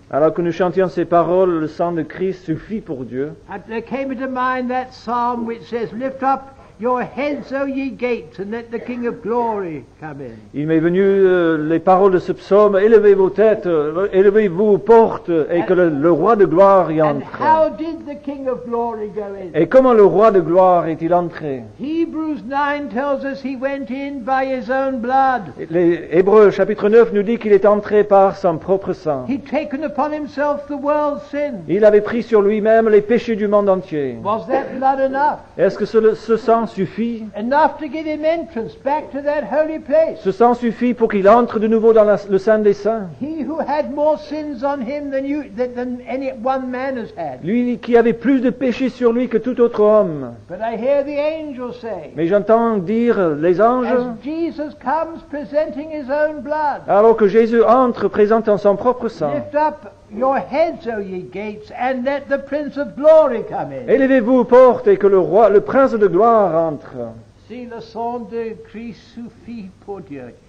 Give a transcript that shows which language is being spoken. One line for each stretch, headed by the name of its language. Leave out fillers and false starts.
French: Alors que nous chantions ces paroles, le sang de Christ suffit pour Dieu.
English: There came into mind that psalm which says, "Lift up your heads, O ye gates, and let the King of Glory come in."
French: Il m'est venu les paroles de ce psaume, élevez vos têtes, élevez vos portes, et que le roi de gloire y entre.
English: And how did the King of Glory go in?
French: Et comment le roi de gloire est-il entré?
English: Hebrews 9 tells us he went in by his own blood.
French: Les Hébreux chapitre 9 nous dit qu'il est entré par son propre sang.
English: He'd taken upon himself the world's sin.
French: Il avait pris sur lui-même les péchés du monde entier.
English: Was that blood enough?
French: Est-ce que ce sang suffit?
English: Enough to give him entrance back to that holy place.
French: Ce sang suffit pour qu'il entre de nouveau dans le sein des saints.
English: He who had more sins on him than any one man has had.
French: Lui qui avait plus de péchés sur lui que tout autre homme.
English: But I hear the angels say.
French: Mais j'entends dire les anges.
English: As Jesus comes presenting his own blood.
French: Alors que Jésus entre présentant son propre sang.
English: Lift up your heads, O ye gates, and let the Prince of Glory come in.
French: Élevez-vous, portes, et que le roi, le Prince de Gloire, entre. Si le sang de Christ suffit pour Dieu.